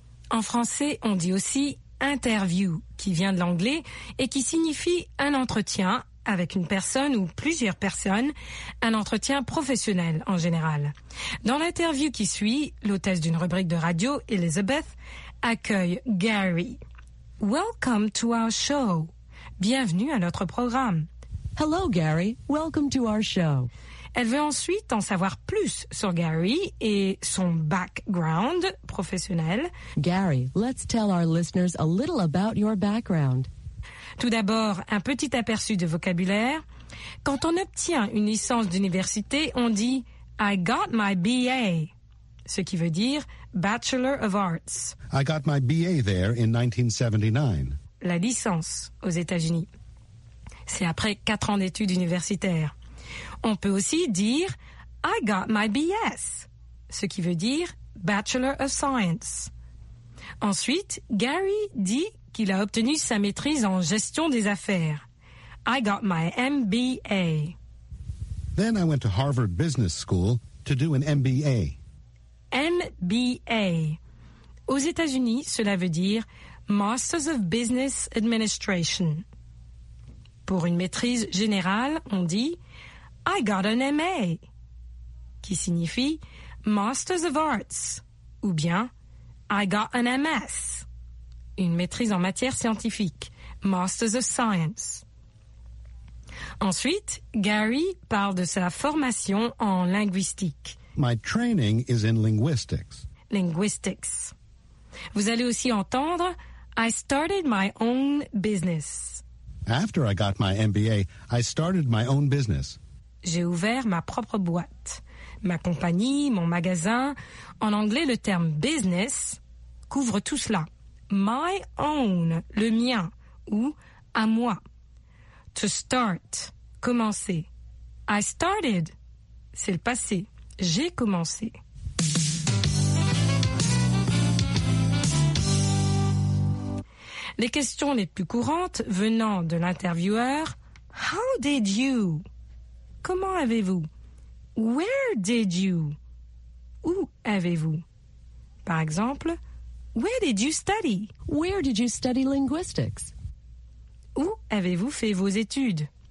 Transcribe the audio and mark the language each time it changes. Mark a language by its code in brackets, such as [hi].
[fr] En français, on dit aussi interview, qui vient de l'anglais et qui signifie un entretien avec une personne ou plusieurs personnes, un entretien professionnel en général. Dans l'interview qui suit, l'hôtesse d'une rubrique de radio, Elizabeth, accueille Gary. [en] Welcome to our show. [fr] Bienvenue à notre programme. [en] Hello Gary, welcome to our show. [fr] Elle veut ensuite en savoir plus sur Gary et son background professionnel. [en] Gary, let's tell our listeners a little about your background. [fr] Tout d'abord, un petit aperçu de vocabulaire. Quand on obtient une licence d'université, on dit [en] I got my BA, [fr] ce qui veut dire [en] Bachelor of Arts. I got my BA there in 1979. [fr] La licence aux États-Unis. C'est après 4 ans d'études universitaires. On peut aussi dire « [en] I got my BS [fr] », ce qui veut dire « [en] Bachelor of Science ». [fr] Ensuite, Gary dit qu'il a obtenu sa maîtrise en gestion des affaires. [en] « I got my MBA ». Then I went to Harvard Business School to do an MBA. MBA. [fr] Aux États-Unis, cela veut dire « [en] Masters of Business Administration ». [fr] Pour une maîtrise générale, on dit « [en] I got an MA, [fr] qui signifie [en] Masters of Arts, [fr] ou bien [en] I got an MS, [fr] une maîtrise en matière scientifique, [en] Masters of Science. [fr] Ensuite, Gary parle de sa formation en linguistique. [en] My training is in linguistics. Linguistics. [fr] Vous allez aussi entendre [en] I started my own business. After I got my MBA, I started my own business. [fr] J'ai ouvert ma propre boîte, ma compagnie, mon magasin. En anglais, le terme « business » couvre tout cela. « [en] My own [fr] », le mien, ou « à moi ».« [en] To start [fr] », commencer. « [en] I started [fr] », c'est le passé. « J'ai commencé ». Les questions les plus courantes venant de l'intervieweur « [en] How did you [fr] ?» Comment avez-vous? [en] Where did you? [fr] Où avez-vous? Par exemple, [en] where did you study? Where did you study linguistics? [fr] Où avez-vous fait vos études?